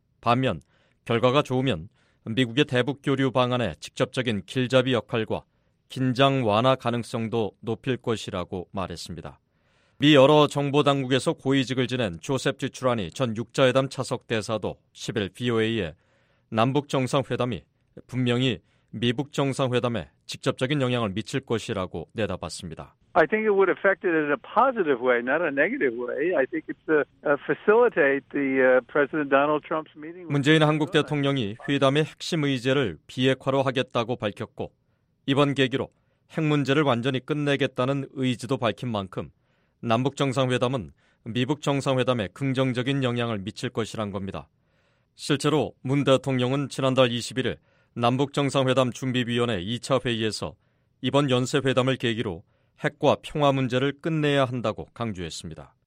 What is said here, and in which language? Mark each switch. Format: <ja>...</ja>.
<ko>반면 결과가 좋으면 미국의 대북 교류 방안에 직접적인 길잡이 역할과 긴장 완화 가능성도 높일 것이라고 말했습니다. 미 여러 정보당국에서 고위직을 지낸 조셉 지추라니 전 육자회담 차석 대사도 10일 VOA에 남북정상회담이 분명히 미북정상회담에 직접적인 영향을 미칠 것이라고 내다봤습니다.</ko> <en>I think it would affect it in a positive way, not a negative way. I think it's to facilitate the President Donald Trump's meeting.</en> <ko>문재인 한국 대통령이 회담의 핵심 의제를 비핵화로 하겠다고 밝혔고 이번 계기로 핵 문제를 완전히 끝내겠다는 의지도 밝힌 만큼 남북정상회담은 미북정상회담에 긍정적인 영향을 미칠 것이란 겁니다. 실제로 문 대통령은 지난달 21일 남북정상회담 준비위원회 2차 회의에서 이번 연쇄회담을 계기로 핵과 평화 문제를 끝내야 한다고 강조했습니다.</ko>